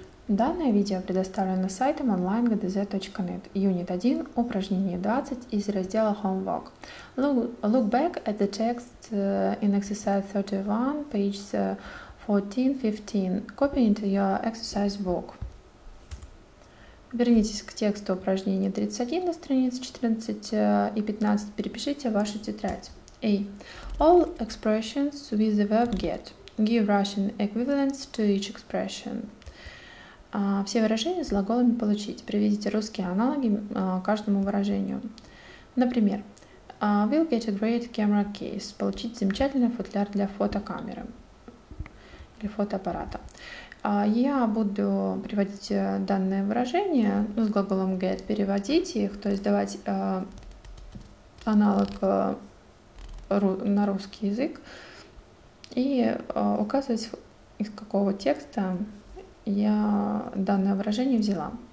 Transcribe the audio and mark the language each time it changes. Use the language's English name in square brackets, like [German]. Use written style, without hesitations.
[Russian] Данное видео предоставлено сайтом online-gdz.net. Unit 1, упражнение 20 из раздела Homework. [English] Look back at the text in exercise 31, pages 14-15. Copy into your exercise book. [Russian] Вернитесь к тексту упражнения 31 на странице 14 и 15. Перепишите вашу тетрадь. [English] A. All expressions with the verb get. Give Russian equivalents to each expression. [Russian] Все выражения с глаголами получить. Приведите русские аналоги каждому выражению. Например, [English] will get a great camera case. [Russian] Получить замечательный футляр для фотокамеры или фотоаппарата. Я буду приводить данное выражение с глаголом get, переводить их, то есть давать аналог на русский язык и указывать, из какого текста я данное выражение взяла.